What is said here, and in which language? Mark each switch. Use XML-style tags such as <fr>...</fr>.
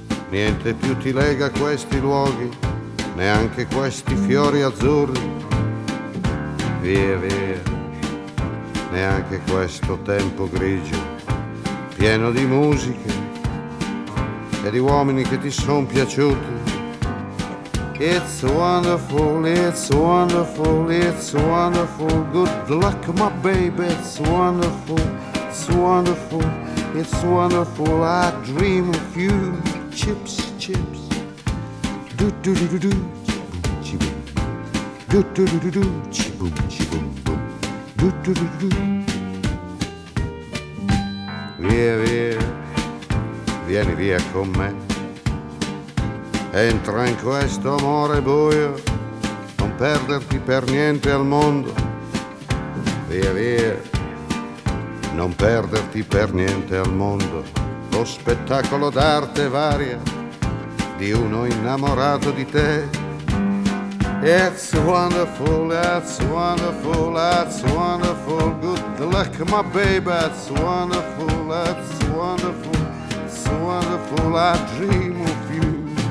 <it>Niente più ti lega a questi luoghi, neanche questi fiori azzurri. Via, via, neanche questo tempo grigio, pieno di musiche e di uomini che ti son piaciuti.</it> <en>It's wonderful, it's wonderful, it's wonderful. Good luck, my baby, it's wonderful, it's wonderful, it's wonderful. I dream of you, chips, chips. Do-do-do-do-do, chi-boom, chi-boom. Do-do-do-do-do, chi-boom, chi-boom, boom. Do-do-do-do-do.</en> <it>Via, via, vieni via con me. Entra in questo amore buio, non perderti per niente al mondo. Via, via, non perderti per niente al mondo. Lo spettacolo d'arte varia di uno innamorato di te.</it> <en>It's wonderful, that's wonderful, that's wonderful. Good luck, my baby, that's wonderful, that's wonderful, it's wonderful, I dream of you.</en>